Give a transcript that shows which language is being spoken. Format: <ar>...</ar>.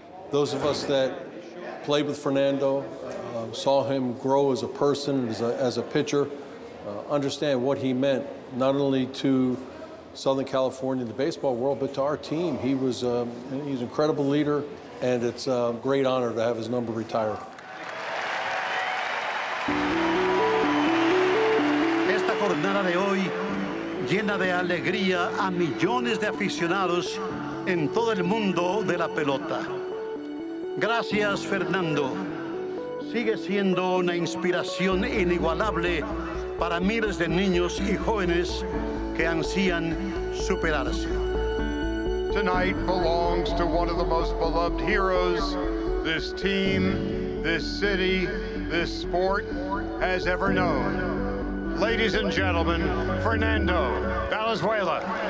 <en>Those of us that played with Fernando, saw him grow as a person, as a pitcher, understand what he meant, not only to Southern California, the baseball world, but to our team. He was he's an incredible leader, and it's a great honor to have his number retired.</en> <es>Esta jornada de hoy llena de alegría a millones de aficionados en todo el mundo de la pelota. Gracias, Fernando. Sigue siendo una inspiración inigualable para miles de niños y jóvenes que ansían superarse.</es> <en>Tonight belongs to one of the most beloved heroes this team, this city, this sport has ever known. Ladies and gentlemen, Fernando Valenzuela.</en>